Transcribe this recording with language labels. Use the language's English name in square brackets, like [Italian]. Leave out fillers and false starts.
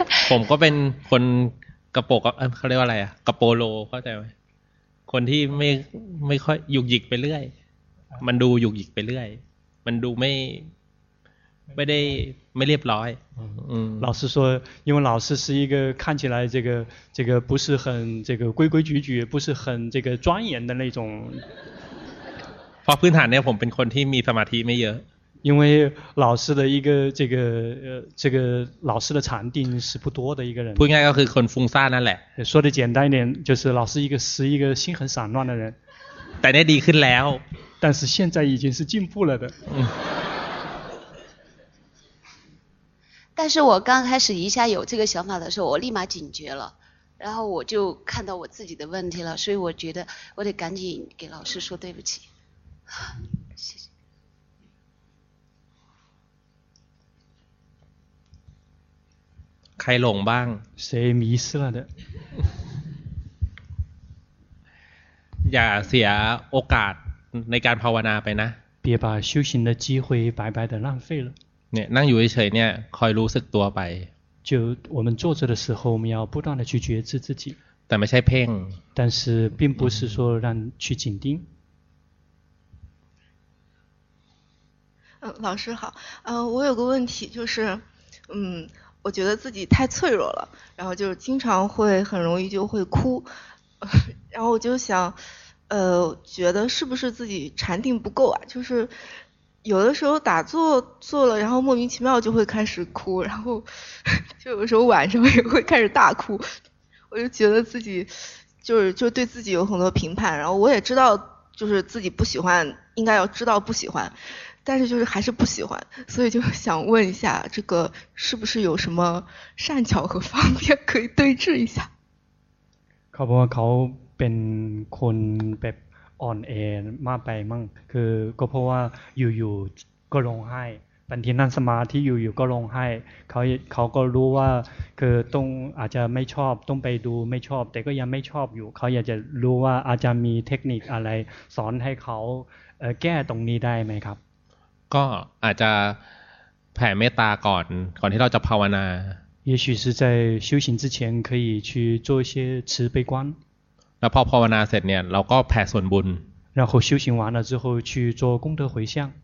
[Thai] ผมก็เป็นคนกระโปกเขาเรียกว่าอะไรอ่ะกระโปโลเข้าใจไหมคนที่ไม่ค่อยหยุกหยิกไปเรื่อยมันดูหยุกหยิกไปเรื่อยมันดูไม่ได้ไม่เรียบร้อย [Chinese] 老师说因为老师是一个看起来这个不是很这个规规矩矩不是很这个庄严的那种 [Thai] เพราะพื้นฐานเนี่ยผมเป็นคนที่มีสมาธิไม่เยอะ [Chinese] 因为老师的一个这个老师的禅定是不多的一个人 [Thai] พูดง่ายก็คือคนฟุ้งซ่านนั่นแหละ [Chinese] 说的简单一点就是老师是一个心很散乱的人 [Thai] แต่เนี่ยดีขึ้นแล้ว [Chinese] 但是现在已经是进步了的但是我刚开始一下有这个想法的时候我立马警觉了然后我就看到我自己的问题了所以我觉得我得赶紧给老师说对不起谢谢 [Thai] ใครหลงบ้าง เสียมีสละเด อย่าเสียโอกาสในการภาวนาไปนะ [Chinese] 别把修行的机会白白的浪费了 [Thai] เนี่ยนั่งอยู่เฉยๆเนี่ยคอยรู้สึกตัวไป [Chinese] 就我们坐着的时候我们要不断的去觉知自己 [Thai] แต่ไม่ใช่เพ่ง [Chinese] 但是并不是说让去紧盯老师好我有个问题就是我觉得自己太脆弱了然后就是经常会很容易就会哭然后我就想觉得是不是自己禅定不够啊就是有的时候打坐坐了然后莫名其妙就会开始哭然后就有时候晚上也会开始大哭我就觉得自己就对自己有很多评判然后我也知道就是自己不喜欢应该要知道不喜欢但是就是还是不喜欢所以就想问一下这个是不是有什么善巧和方便可以对治一下考不考本困本 [Thai] อ่อนแอมากไปมั่งคือก็เพราะว่าอยู่ๆก็ร้องไ บางทีนั่งสมาธิอยู่ก็ร้องไห้เขาก็รู้ว่าคือต้องอาจจะไม่ชอบต้องไปดูไม่ชอบแต่ก็ยังไม่ชอบอยู่เขาอยากจะรู้ว่าอาจจะมีเทคนิคอะไรสอนให้เขาแก้ตรงนี้ได้ไหมครับ ก็อาจจะแผ่เมตตาก่อนที่เราจะภาวนา [Chinese] 也许是在修行之前可以去做一些慈悲观 [Thai] แล้วพอภาวนาเสร็จเนี่ยเราก็แผ่ส่วนบุญ [Chinese] 然后修行完了之后去做功德回向